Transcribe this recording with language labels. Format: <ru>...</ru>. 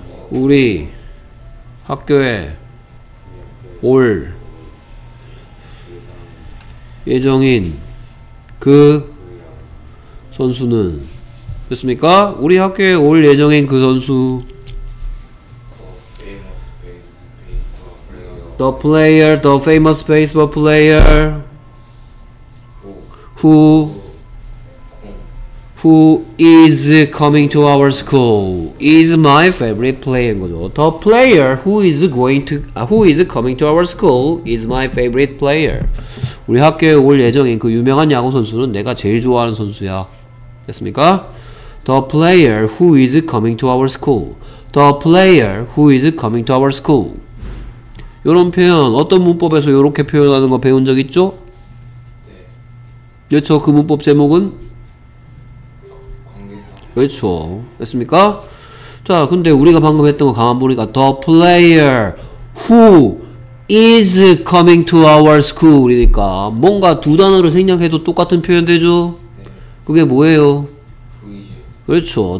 <ko>우리 학교에 올 예정인 그 선수는, 그렇습니까? 우리 학교에 올 예정인 그 선수.</ko> <en>The famous baseball player who is coming to our school is my favorite player인 거죠. The player who is coming to our school is my favorite player.</en> <ko>우리 학교에 올 예정인 그 유명한 야구 선수는 내가 제일 좋아하는 선수야. 됐습니까?</ko> <en>The player who is coming to our school. The player who is coming to our school.</en> <ko>요런 표현, 어떤 문법에서 요렇게 표현하는 거 배운 적 있죠? 그렇죠. 그 문법 제목은? 그렇죠. 됐습니까? 자, 근데 우리가 방금 했던 거 가만 보니까</ko> <en>The player who is coming to our school</en> <ko>이니까 뭔가 두 단어를 생략해도 똑같은 표현 되죠? 그게 뭐예요? 그렇죠.</ko>